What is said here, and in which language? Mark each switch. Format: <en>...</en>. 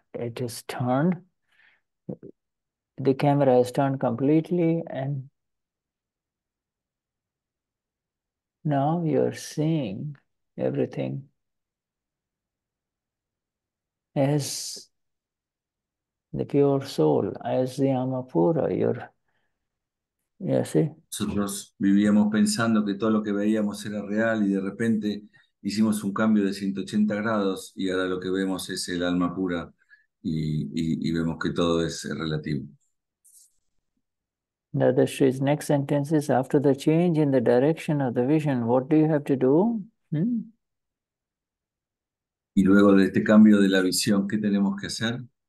<en>It is turned. The camera has turned completely, and now you're seeing everything as the pure soul, as the Amapura.</en> <es>Nosotros vivíamos pensando que todo lo que veíamos era real y de repente hicimos un cambio de 180 grados y ahora lo que vemos es el alma pura y vemos que todo es relativo.</es> <en>Dadashri's next sentence is, after the change in the direction of the vision, what do you have to do?</en> <es>Y luego de este cambio de la visión, ¿qué tenemos que hacer?</es>